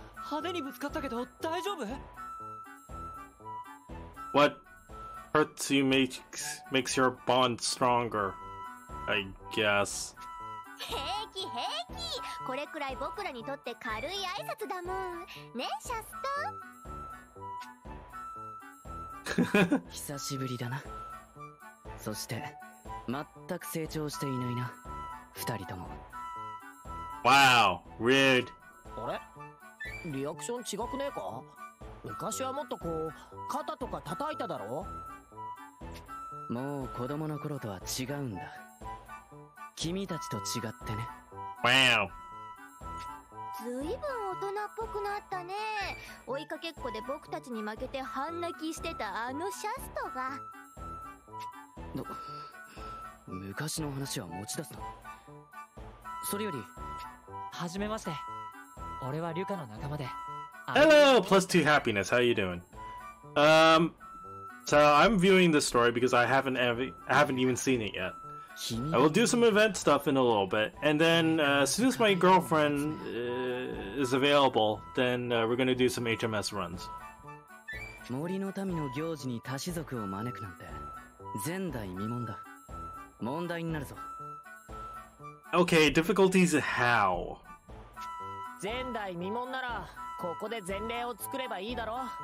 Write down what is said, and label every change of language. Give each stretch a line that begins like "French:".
Japanese: 派手にぶつかったけど大丈夫？
English: What hurts you makes your bond stronger, I guess.
Japanese: 平気平気、これくらい僕らにとって軽い挨拶だもんね、シャスト。久しぶりだな。そして全く成長していないな、二人とも。
English: Wow, rude.
Japanese: あれ？リアクション違くねえか。昔はもっとこう肩とか叩いただろ。もう子供の頃とは違うんだ、君たちと違ってね。わお、ずいぶん大人っぽくなったね。追いかけっこで僕たちに負けて半泣きしてたあのシャストが。昔の話は持ち出すな。それより、はじめまして、俺はリュカの仲間で。
English: Hello, plus two happiness. How you doing? So I'm viewing this story because I haven't even seen it yet. I will do some event stuff in a little bit, and then as soon as my girlfriend is available, then we're gonna do some HMS runs.
Japanese: 森の民の行事に多士族を招くなんて前代未聞だ。問題になるぞ。
English: Okay, difficulties how?
Japanese: 前代未聞ならここで前例を作ればいいだろう。